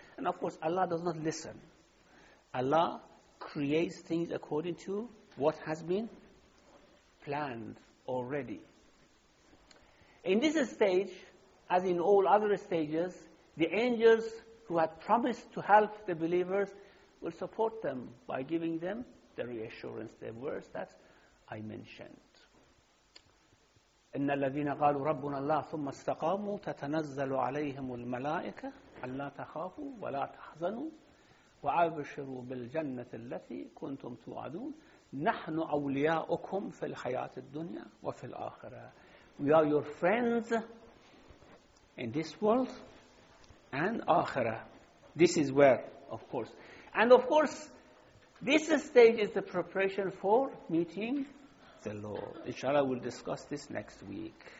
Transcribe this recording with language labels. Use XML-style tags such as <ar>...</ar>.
<en>And of course, Allah does not listen. Allah creates things according to what has been planned already. In this stage, as in all other stages, the angels who had promised to help the believers will support them by giving them the reassurance, the words that I mentioned.</en> <ar>إِنَّ الَّذِينَ قَالُوا رَبُّنَا اللَّهُ ثُمَّ اسْتَقَامُوا تَتَنَزَّلُ عَلَيْهِمُ الْمَلَائِكَةُ أَلَّا تَخَافُوا وَلَا تَحْزَنُوا وَأَبْشِرُوا بِالْجَنَّةِ الَّتِي كُنْتُمْ تُوعَدُونَ نحن أولياؤكم في الحياة الدنيا وفي الآخرة.</ar> <en>We are your friends in this world and akhirah. This is where, of course. And of course, this stage is the preparation for meeting the Lord. Inshallah, we'll discuss this next week.</en>